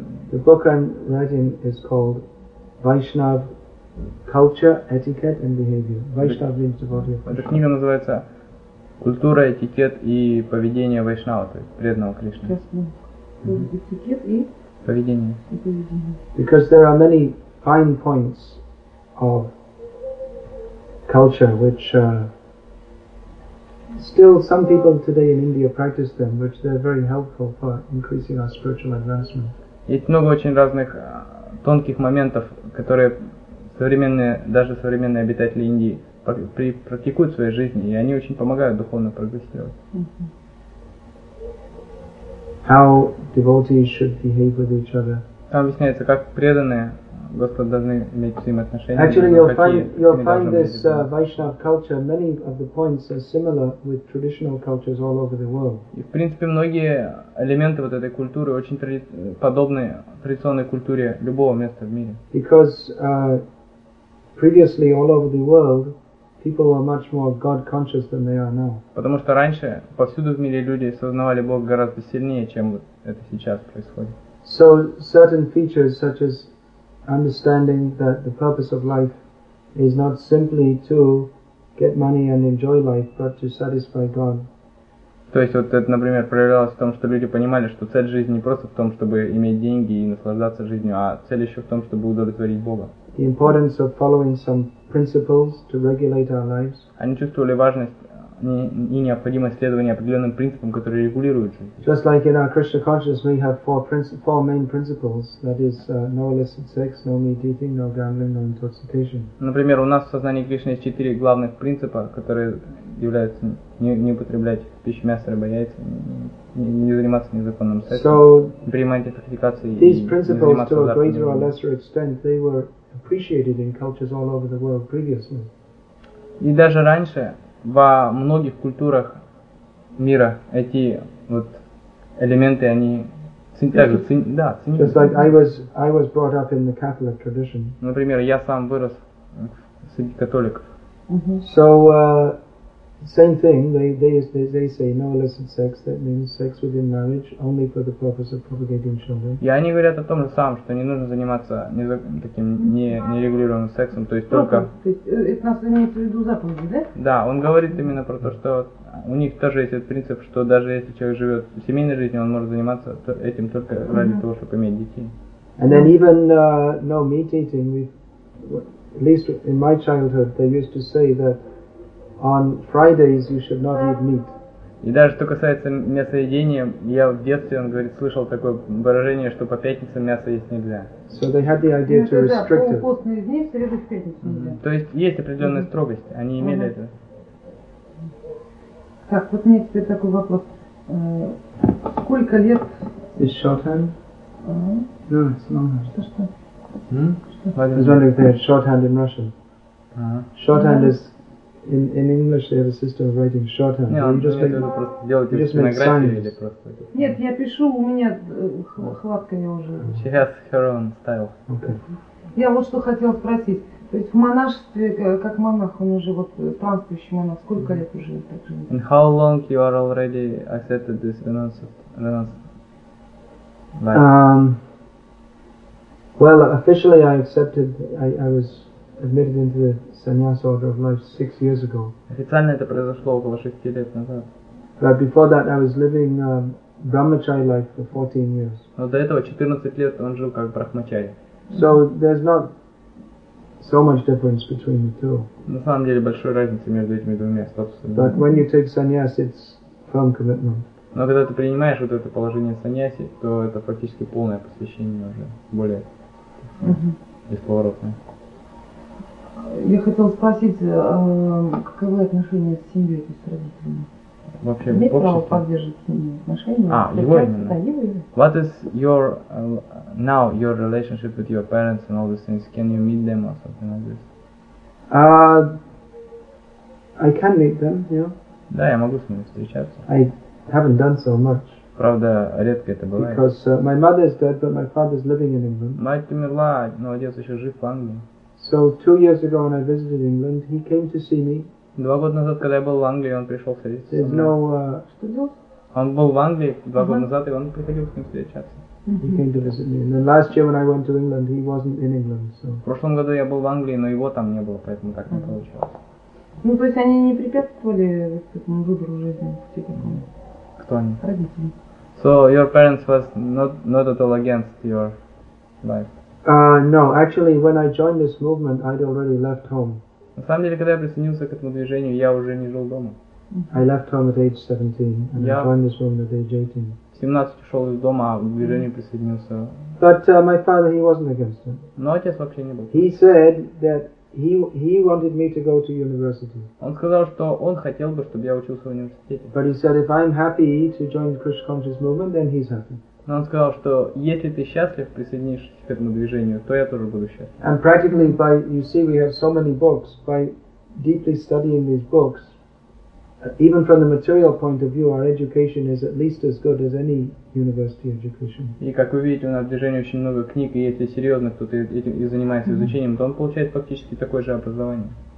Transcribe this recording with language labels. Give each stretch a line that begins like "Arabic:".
English: The book I'm writing is called Vaishnav Culture, Etiquette and Behavior. Vaishnav means devotee.
Russian: Эта книга называется «Культура, этикет и поведение Вайшнава», то есть преданного Кришны. Этикет и поведение.
English: Because there are many fine points of culture which still some people today in India practice them, which they're very helpful for increasing our spiritual advancement.
Russian: Есть много очень разных тонких моментов, которые даже современные обитатели Индии практикуют в своей жизни, и они очень помогают духовно прогрессировать.
English: How devotees should behave with each other.
Russian: Там объясняется, как преданные Господу должны иметь с ним отношения.
English: Actually, you'll find this Vaishnav culture. Many of the points are similar with traditional cultures all over the world.
Russian: И в принципе многие элементы вот этой культуры очень подобны традиционной культуре любого места в мире.
English: Because previously, all over the world, people were much more God-conscious than they are now.
Russian: Потому что раньше повсюду в мире люди сознавали Бога гораздо сильнее, чем вот это сейчас происходит.
English: So certain features such as understanding that the purpose of life is not simply to get money and enjoy life, but to satisfy God.
Russian: То есть вот это, например, проявлялось в том, что люди понимали, что цель жизни не просто в том, чтобы иметь деньги и наслаждаться жизнью, а цель еще в том, чтобы удовлетворить Бога.
English: The importance of following some principles to regulate our lives.
Russian: Они чувствовали важность и необходимость следования определенным принципам, которые регулируют жизнь.
English: Just like in our Krishna consciousness, we have four main principles. That is, no illicit sex, no meat eating, no gambling, no intoxication.
Russian: Например, у нас в сознании Кришны есть четыре главных принципа, которые являются не употреблять пищу, мясо, рыбу, яйца, не заниматься незаконным сексом, so, принимать интоксикации и не заниматься зарплатами.
English: Appreciated in cultures all over the world previously.
Russian: И даже раньше во многих культурах мира эти вот элементы они ценились.
English: Just like I was brought up in the Catholic tradition.
Russian: Например, я сам вырос среди католиков.
English: So same thing. They say no illicit sex. That means sex within marriage, only for the purpose of propagating children.
Russian: И они говорят о том же самом, что не нужно заниматься таким нерегулированным сексом, то есть только. Это нас имеет в виду заповеди, да? Да, он говорит именно про то, что у них тоже есть этот принцип, что даже если человек живет в семейной жизни, он может заниматься этим только ради того, чтобы иметь детей.
English: And then even no meat eating. At least in my childhood, they used to say that. On Fridays you should not eat meat.
Russian: И даже что касается мясоедения, я в детстве, он говорит, слышал такое выражение, что по пятницам мясо есть нельзя.
English: So they had the idea to restrict it.
Russian: Постные дни, среды, пятницы. То есть есть определенная строгость, они имели это. Так, вот мне теперь такой вопрос. Сколько лет?
English: Is shorthand? No, it's longhand.
Russian: Что?
English: I was wondering if they had shorthand in Russian. Shorthand is In English they have a system of writing shorthand.
Russian: Нет,
English: you just
Russian: делаете стенографию или просто. Нет, я пишу, у меня хватками уже.
English: She has her own style. Okay.
Russian: Я вот что хотела спросить. То есть в монашестве, как монах, он уже вот транствующий монах, сколько лет уже так живет?
English: And how long you are already accepted this renunciation? Well, officially I was admitted into the Sannyasa order of life 6 years ago.
Russian: Официально это произошло около 6 лет назад.
English: But before that I was living brahmachari life for 14 years.
Russian: Но до этого 14 лет он жил как брахмачари.
English: So there's not so much difference between the two.
Russian: На самом деле большой разницы между этими двумя статусами.
English: But when you take sannyas, it's firm commitment.
Russian: Но когда ты принимаешь вот это положение саньяси, то это практически полное посвящение уже, более бесповоротное. Я хотел спросить, каковы отношения с семьей, то есть с родителями? Вообще, имеет право поддерживать с ними отношения? А, его именно.
English: What is your now your relationship with your parents and all these things? Can you meet them or something like this? I can meet them, yeah.
Russian: Да, я могу с ними встречаться.
English: I haven't done so much.
Russian: Правда, редко это бывает.
English: Because my mother is dead, but my father is living in England.
Russian: Мать умерла, но отец еще жив в Англии.
English: So 2 years ago when I visited England, he came to see me.
Russian: 2 года назад, когда я был в Англии, он пришел встретиться.
English: There's no
Russian: что делал? Он был в Англии 2 года назад, и он приходил с ним встречаться.
English: He came to visit me. And then last year when I went to England, he wasn't in England. So.
Russian: В прошлом году я был в Англии, но его там не было, поэтому так не получилось. Ну то есть они не препятствовали этому выбору жизни пути такому. Кто они? Родители.
English: So your parents was not at all against your life. No, actually, when I joined this movement, I'd already left home.
Russian: На самом деле, когда я присоединился к этому движению, я уже не жил дома.
English: I left home at age 17, and I joined this movement at age 18.
Russian: 17 ушел из дома, а к движению присоединился.
English: But my father, he wasn't against it.
Russian: Но отец вообще не был.
English: He said that he wanted me to go to university.
Russian: Он сказал, что он хотел бы, чтобы я учился в университете.
English: But he said, if I'm happy to join the Krishna conscious movement, then he's happy.
Russian: Но он сказал, что если ты счастлив, присоединишься к этому движению, то я тоже буду счастлив.
English: And practically, by you see, we have so many books. By deeply studying these books, even from the material point of view, our education is at least as good as any university education.
Russian: И как вы видите, у нас в движении очень много книг, и если серьезно кто-то этим и занимается изучением, то он получает фактически такое же образование.